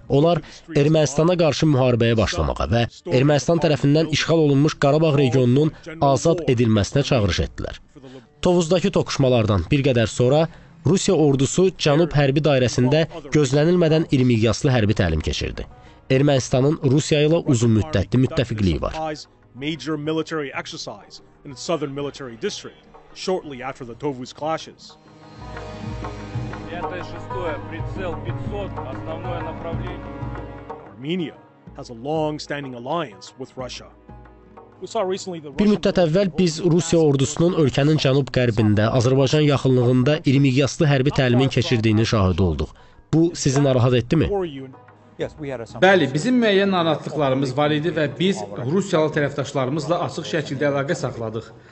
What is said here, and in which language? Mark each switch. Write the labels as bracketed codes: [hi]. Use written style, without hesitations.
[az] Onlar Ermənistana qarşı müharibəyə başlamağa və Ermənistan tərəfindən işğal olunmuş Qarabağ regionunun azad edilməsinə çağırış etdilər. Tovuzdakı toqquşmalardan bir qədər sonra Rusiya ordusu Cənub hərbi dairəsində gözlənilmədən irmiqyaslı hərbi təlim keçirdi. Ermənistanın Rusiya ilə uzun müddətli müttəfiqliyi var. [en] Major military exercise in the southern military district shortly after the Tovuz clashes. Armenia has a long-standing alliance with Russia. [az] Bir müddət əvvəl biz Rusiya ordusunun ölkənin cənub-qərbində, Azərbaycan yaxınlığında irmiqyaslı hərbi təlimin keçirdiyini şahid olduq. Bu sizi narahat etdi mi? Bəli, bizim müəyyən narahatlıqlarımız var idi və biz Rusiyalı tərəfdaşlarımızla açıq şəkildə əlaqə saxladıq.